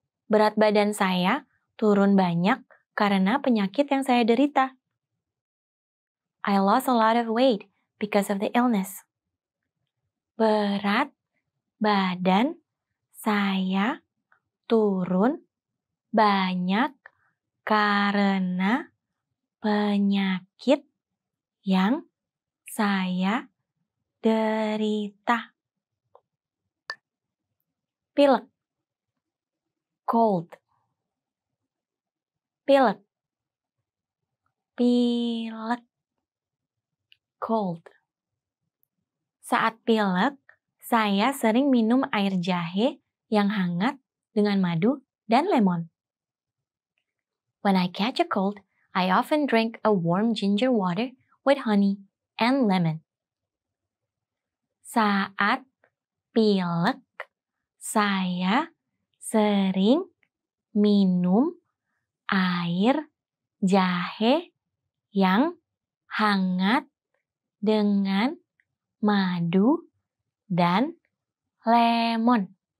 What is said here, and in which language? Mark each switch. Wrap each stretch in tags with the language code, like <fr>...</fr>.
<id>Berat badan saya turun banyak karena penyakit yang saya derita.</id> <en>I lost a lot of weight because of the illness.</en> <id>Berat badan saya turun banyak karena penyakit yang saya derita. Pilek.</id> <en>Cold.</en> <id>Pilek. Pilek.</id> <en>Cold.</en> <id>Saat pilek, saya sering minum air jahe yang hangat dengan madu dan lemon.</id> <en>When I catch a cold, I often drink a warm ginger water with honey and lemon.</en> <id>Saat pilek, saya sering minum air jahe yang hangat dengan madu dan lemon.</id>